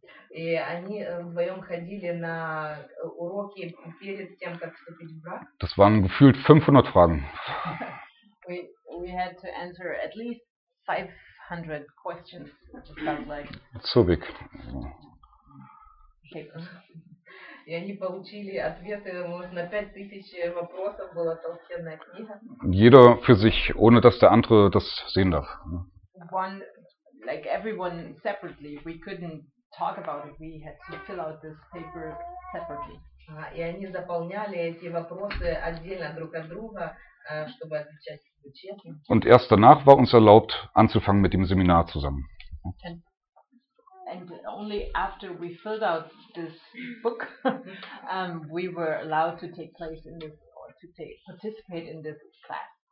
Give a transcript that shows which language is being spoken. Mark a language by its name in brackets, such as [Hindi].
[Russian] И они вдвоем ходили на уроки перед тем, как вступить в брак. [German] Das waren gefühlt 500 Fragen. [English] We had to answer at least 500 questions. So big. [Russian] И они получили ответы, может, на 5000 вопросов была толстенная книга. [German] Jeder für sich, ohne dass der andere das sehen darf. [English] One, like everyone separately, we couldn't talk about it. We had to fill out this paper separately. [Russian] И они заполняли эти вопросы отдельно друг от друга, чтобы отвечать. [German] Und erst danach war uns erlaubt, anzufangen mit dem Seminar zusammen. [English] And only after we filled out this book, we were allowed to take place in this or to take participate in this class.